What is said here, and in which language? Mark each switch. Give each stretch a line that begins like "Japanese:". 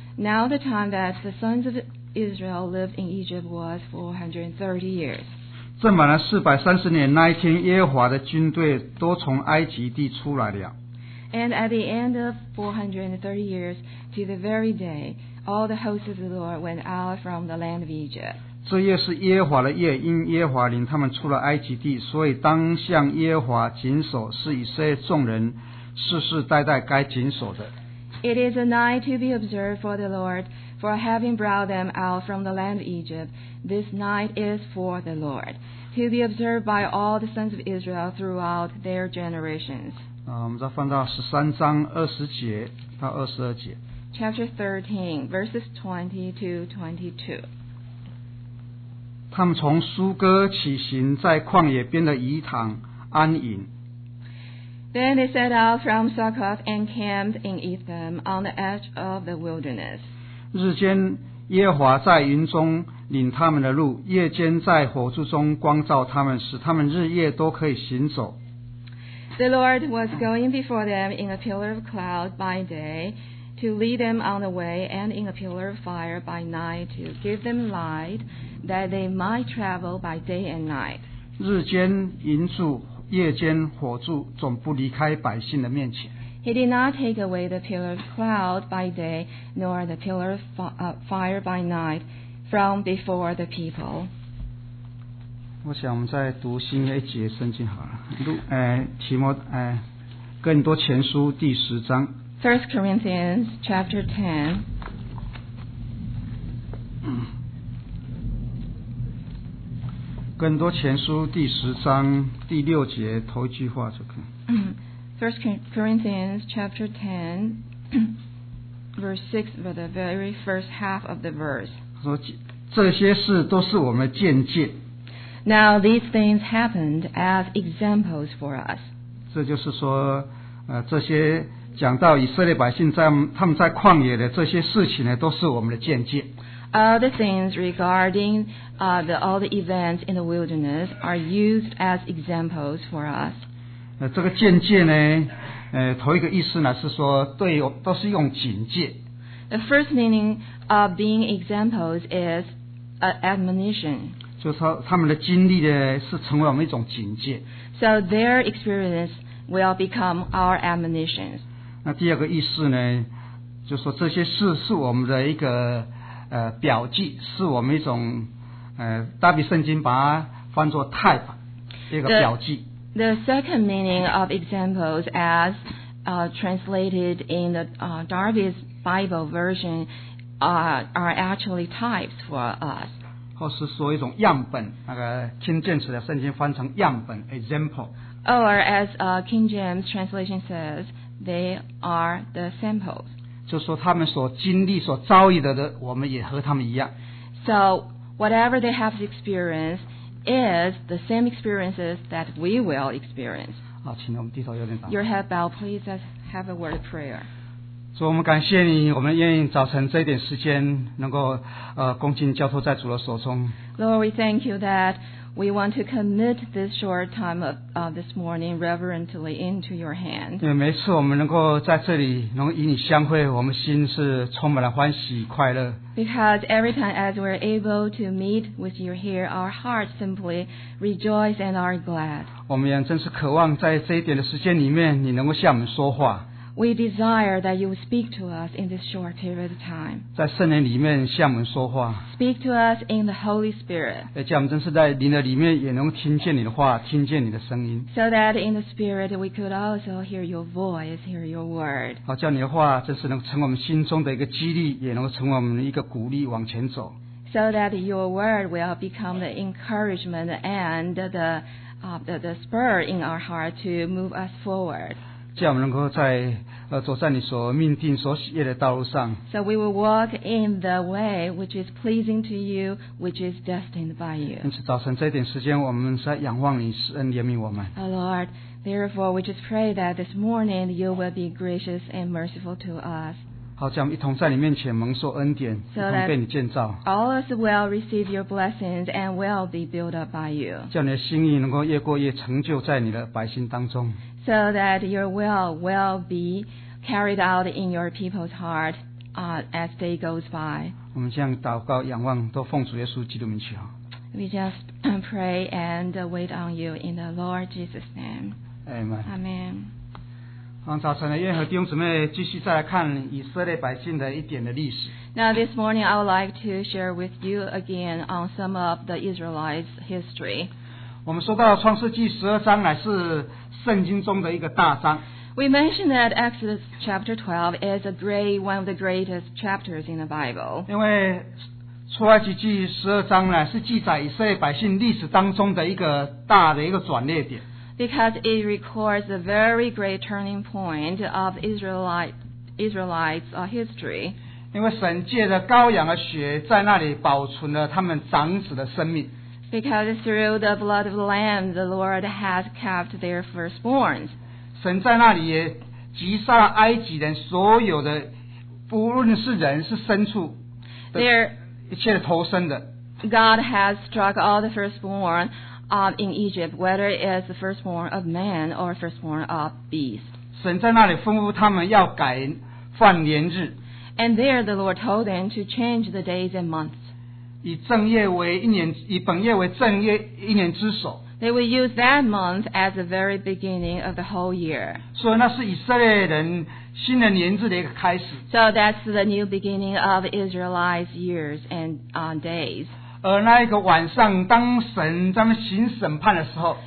English: Now the time that the sons of Israel lived in Egypt was 430 years.
Chinese: 正满了430年，那一天耶和华的军队都从埃及地出来了。
English: And at the end of 430 years, to the very day, all the hosts of the Lord went out from the land of Egypt.
Chinese: 这夜是耶和华的夜，因耶和华领他们出了埃及地，所以当向耶和华谨守，是以色列众人世世代代该谨守的。
English: It is a night to be observed for the Lord, for having brought them out from the land of Egypt. This night is for the Lord, to be observed by all the sons of Israel throughout their generations.
Chinese: 我们再翻到十三章二十节到二十二节。
English: Chapter 13, verses 20 to 22.
Chinese: 他们从苏哥起行，在旷野边的以堂安营。
English: Then they set out from Succoth and camped in Etham on the edge of the wilderness.
Chinese: 日间，耶和华在云中。领他们的路，夜间在火柱中光照他们，使他们日夜都可以行走。
English: The Lord was going before them in a pillar of cloud by day to lead them on the way, and in a pillar of fire by night to give them light that they might travel by day and night.
Chinese: 日间营柱，夜间火柱，总不离开百姓的面前。
English: He did not take away the pillar of cloud by day nor the pillar of fire by night. From before the people.
Chinese: 我想我们再读新约一节圣经好了。提摩，哥林多前书第十章。
English: First Corinthians chapter 10.
Chinese: 哥林多前书第十章第六节头一句话就可以。
English: First Corinthians chapter 10, verse 6, for the very first half of the verse.
Chinese: 这些事都是我们的见解。
English: Now these things happened as examples for us.
Chinese: 这就是说，这些讲到以色列百姓在他们在旷野的这些事情呢，都是我们的见解。
English: Other things regarding all the events in the wilderness are used as examples for us.
Chinese: 这个见解呢，头一个意思呢是说对，都是用警戒。
English: The first meaning of being examples is admonition.
Chinese: 就是说他们的经历呢是成为我们一种警戒。
English: So their experience will become our admonitions.
Chinese: 那第二个意思呢，就是说这些事是我们的一个表记，是我们一种大比圣经把它翻作 type 一个表记。
English: The second meaning of examples as translated in the Darby's Bible version are actually types for us.
Chinese: 或是说一种样本，那个King James的圣经翻成样本 example.
English: Or as King James translation says, they are the samples.
Chinese: 就说他们所经历所遭遇的，我们也和他们一样。
English: So whatever they have experienced is the same experiences that we will experience.
Chinese: 好，请我们低头有点祷告。
English: Your head bowed, please have a word of prayer.
Chinese: 主，我们感谢你，我们愿意早晨这一点时间能够恭敬交托在主的手中。
English: Lord, we thank you that we want to commit this short time of this morning reverently into your hand.
Chinese: 对，每次我们能够在这里能与你相会，我们心是充满了欢喜快乐。
English: Because every time as we're able to meet with you here, our hearts simply rejoice and are glad.
Chinese: 我们也真是渴望在这一点的时间里面，你能够向我们说话。
English: We desire that you speak to us in this short period of time.
Chinese: 在圣灵里面向我们说话。
English: Speak to us in the Holy Spirit.
Chinese: 也叫我们真是在灵的里面也能听见你的话，听见你的声音。
English: So that in the Spirit we could also hear your voice, hear your word.
Chinese: 好，叫你的话真是能成我们心中的一个激励，也能成我们一个鼓励往前走。
English: So that your word will become the encouragement and the spur in our heart to move us forward.
Chinese: 叫我们能够在走在你所命定所喜悦的道路上。
English: So we will walk in the way which is pleasing to you, which is destined by you.
Chinese: 因此，早晨这一点时间，我们是在仰望你，施恩怜悯我们。
English: O Lord, therefore we just pray that this morning you will be gracious and merciful to us.
Chinese: 好，叫我们一同在你面前蒙受恩典，一同被你建造。
English: All us will receive your blessings and will be built up by you.
Chinese: 叫你的心意能够越过越成就在你的百姓当中。
English: So that your will be carried out in your people's heart as day goes by.
Chinese: 我们这样祷告仰望都奉主耶稣基督名求。
English: We just pray and wait on you in the Lord Jesus' name. Amen. Amen.
Chinese: 好，早晨的愿和弟兄姊妹继续再来看以色列百姓的一点的历史。
English: Now this morning I would like to share with you again on some of the Israelites' history.
Chinese: 我们说到创世纪十二章乃是圣经中的一个大章。
English: We mentioned that Exodus chapter 12 is one of the greatest chapters in the Bible.
Chinese: 因为出埃及记十二章呢，是记载以色列百姓历史当中的一个大的一个转捩点。
English: Because it records a very great turning point of Israelites' history.
Chinese: 因为神借着羔羊的血在那里保存了他们长子的生命。
English: Because through the blood of the Lamb, the Lord has kept their firstborns.
Chinese: 神在那里也击杀了埃及人所有的，不论是人是牲畜，一切的头生的。
English: God has struck all the firstborn in Egypt, whether it is the firstborn of man or firstborn of beast.
Chinese: 神在那里吩咐他们要改换年日。
English: And there the Lord told them to change the days and months.
Chinese: 以正月为一年，以本月为正月一年之首。
English: They will use that month as the very beginning of the whole year.
Chinese: 所以那是以色列人新的年日的一个开始。
English: So that's the new beginning of Israelites' years and days.
Chinese: 而那一个晚上，当神他们行审判的时候